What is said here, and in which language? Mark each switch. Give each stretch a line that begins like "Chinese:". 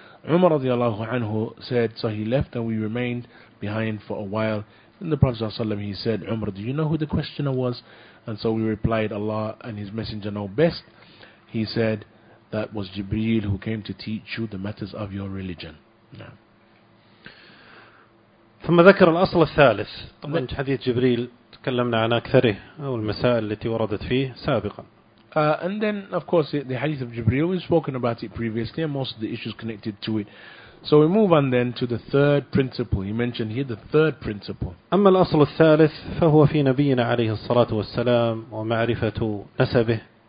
English: Umar radiallahu anhu said, so he left and we remained behind for a while. Then the Prophet ﷺ, he said, "Umar, do you know who the questioner was?" And so we replied, "Allah and His Messenger know best." He said, "That was Jibreel who came to teach you the matters of your religion."
Arabic: ثم ذكر الأصل الثالث من حديث جبريل تكلمنا عن أكثره أو المسائل التي وردت فيه سابقا.
English: And then, of course, the hadith of Jibreel, we've spoken about it previously, and most of the issues connected to it. So we move on then to the third principle. He mentioned here the third principle.
Arabic: أما الأصل الثالث فهو في نبينا عليه الصلاة والسلام ومعرفة نسبه.